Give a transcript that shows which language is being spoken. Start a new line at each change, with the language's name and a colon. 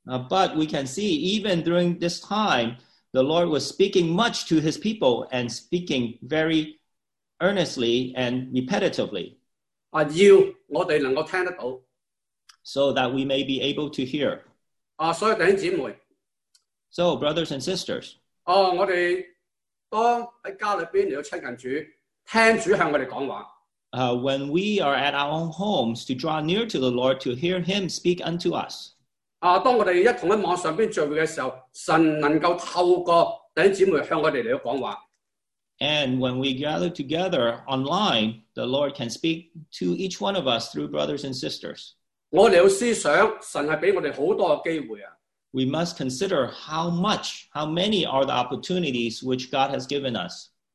English: but we can see even during this time, the Lord was speaking much to his people and speaking very earnestly and repetitively.
Chinese: 要我们能够听得到,
English: so that we may be able to hear.
Chinese: 所以弟兄姊妹,
English: so, brothers and sisters,
Chinese: 我们当在家里面要亲近主, 听主向我们讲话,
English: When we are at our own homes to draw near to the Lord to hear him speak unto us.
Chinese: 当我们一同在网上聚会的时候, 神能够透过弟兄姊妹向我们来讲话。
English: And when we gather together online, the Lord can speak to each one of us through brothers and sisters.
Chinese: 我们要思想, 神是给我们很多的机会啊。
English: We must consider how many are the opportunities which God has given us.